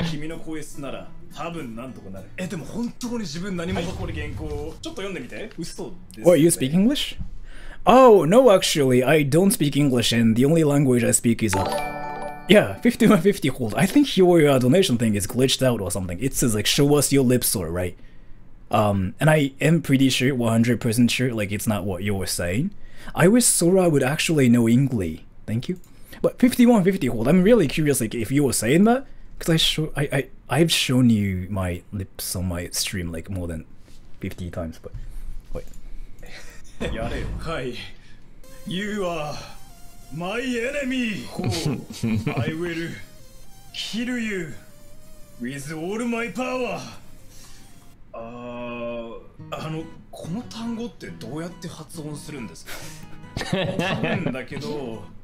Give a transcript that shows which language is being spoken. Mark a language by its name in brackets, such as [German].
[Japanese] 君の声質なら、多分なんとかなる。え、でも本当に自分何も誇る原稿を、はい、ちょっと読んでみて。嘘です、ね。 [English] What, you speak English? Oh, no, actually, I don't speak English, and the only language I speak is... Yeah, 5150 hold. I think your donation thing is glitched out or something. It says, like, show us your lips or, right? And I am pretty sure, 100% sure, like, it's not what you're saying. I wish Sora would actually know English. Thank you. But 5150 hold, I'm really curious like if you were saying that, because I've shown you my lips on my stream like more than 50 times, but wait. Yare, hi. You are my enemy! I will kill you with all my power! [Japanese] この単語ってどうやって発音するんですか多分だけど、